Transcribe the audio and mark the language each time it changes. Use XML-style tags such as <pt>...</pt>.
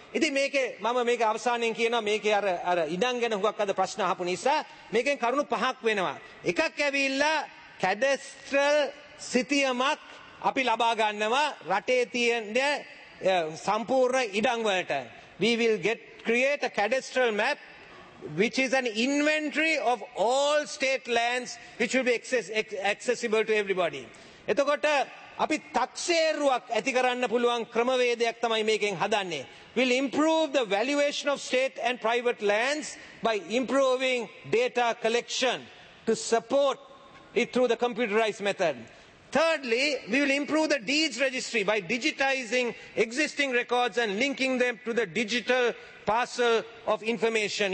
<si>ඉතින් මේකේ මම මේක අවසානයෙන් කියනවා, මේකේ අර ඉඩම් ගැන හුඟක් අද ප්‍රශ්න අහපු නිසා මේකෙන් කරුණු පහක් වෙනවා. එකක් ඇවිල්ලා කැඩස්ට්‍රල් සිටියමක් අපි ලබා ගන්නවා රටේ තියෙන සම්පූර්ණ ඉඩම් වලට.</si> <en>We will get create a cadastral map which is an inventory of all state lands which will be accessible to everybody.</en> <si>එතකොට අපි තක්සේරුවක් ඇති කරන්න පුළුවන් ක්‍රමවේදයක් තමයි මේකෙන් හදන්නේ.</si> <en>We'll improve the valuation of state and private lands by improving data collection to support it through the computerized method. Thirdly, we will improve the deeds registry by digitizing existing records and linking them to the digital parcel of information.</en>